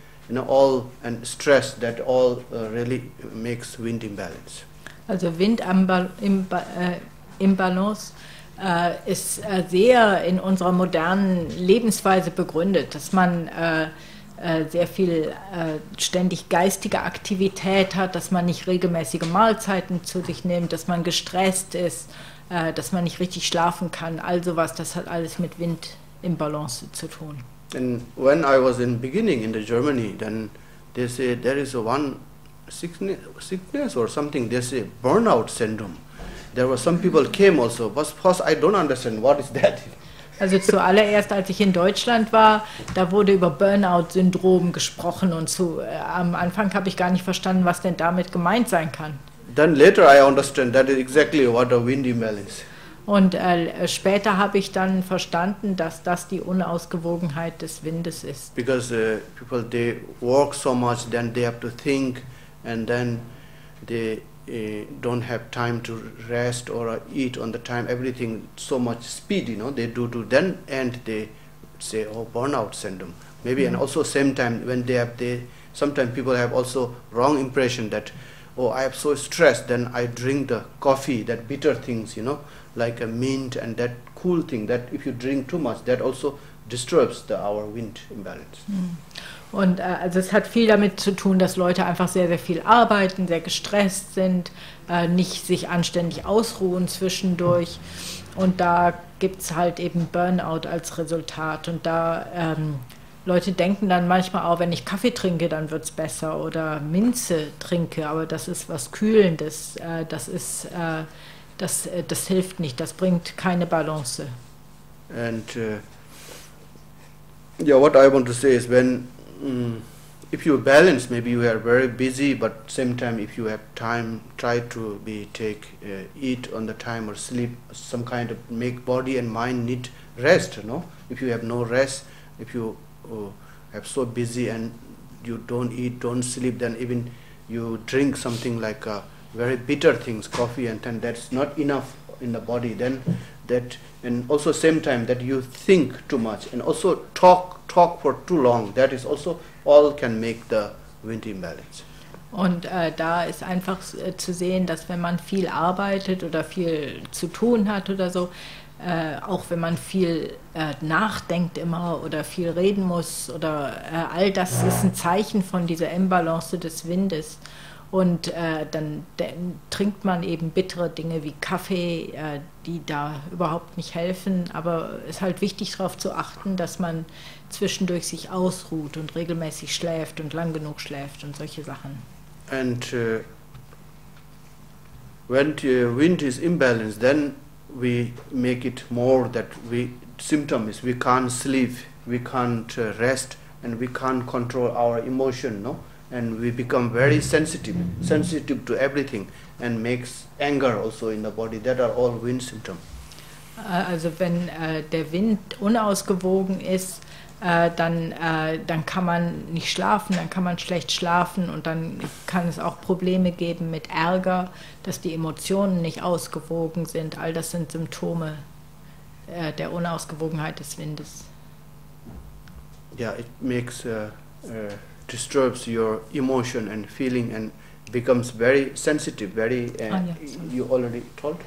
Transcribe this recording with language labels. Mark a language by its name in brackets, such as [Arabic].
[English] You know, all and stress that all really makes wind imbalance. [German] Also Wind imbalance ist sehr in unserer modernen Lebensweise begründet, dass man sehr viel ständig geistige Aktivität hat, dass man nicht regelmäßige Mahlzeiten zu sich nimmt, dass man gestresst ist, dass man nicht richtig schlafen kann, all sowas, das hat alles mit Wind imbalance zu tun. [English] And when I was in beginning in the Germany, then they say there is one sickness or something, they say burnout syndrome. There were some people came also, but first I don't understand what is that. [German] Also zuallererst, als ich in Deutschland war, da wurde über Burnout-Syndrom gesprochen und so. Am Anfang habe ich gar nicht verstanden, was denn damit gemeint sein kann. [English] Then later I understand that is exactly what a wind imbalance is. [German] Und später habe ich dann verstanden, dass das die Unausgewogenheit des Windes ist. [English] Because people they work so much, then they have to think, and then they don't have time to rest or eat on the time. Everything so much speed, you know, they do. Then and they say, oh, burnout syndrome. Maybe and also same time when they have they sometimes people have also wrong impression that, oh, I have so stressed, then I drink the coffee, that bitter things, you know. Like a mint and that cool thing that if you drink too much that also disturbs the our wind imbalance. [German] Und also es hat viel damit zu tun, dass Leute einfach sehr sehr viel arbeiten, sehr gestresst sind, nicht sich anständig ausruhen zwischendurch und da gibt's halt eben Burnout als Resultat und da Leute denken dann manchmal auch, wenn ich Kaffee trinke, dann wird's besser oder Minze trinke, aber das ist was Kühlendes, das ist Das hilft nicht, das bringt keine Balance. [English] And yeah, what I want to say is when if you balance, maybe you are very busy, but same time if you have time, try to be take eat on the time or sleep some kind of make body and mind need rest, no? If you have no rest, if you have so busy and you don't eat, don't sleep, then even you drink something like a very bitter things, coffee, and then that's not enough in the body, then that, and also same time that you think too much and also talk for too long, that is also all can make the wind imbalance. [German] Und da ist einfach zu sehen, dass wenn man viel arbeitet oder viel zu tun hat oder so, auch wenn man viel nachdenkt immer oder viel reden muss oder all das ist ein Zeichen von dieser Imbalance des Windes. Und dann trinkt man eben bittere Dinge wie Kaffee, die da überhaupt nicht helfen. Aber es ist halt wichtig, darauf zu achten, dass man zwischendurch sich ausruht und regelmäßig schläft und lang genug schläft und solche Sachen. [English] And when the wind is imbalanced, then we make it more that we symptom is we can't sleep, we can't rest, and we can't control our emotion, no? And we become very sensitive to everything, and makes anger also in the body. That are all wind symptoms. [German] Also wenn der Wind unausgewogen ist, dann kann man nicht schlafen, dann kann man schlecht schlafen und dann kann es auch Probleme geben mit Ärger, dass die Emotionen nicht ausgewogen sind. All das sind Symptome der Unausgewogenheit des Windes. [English] Ja, yeah, it makes disturbs your emotion and feeling and becomes very sensitive, very, you already told?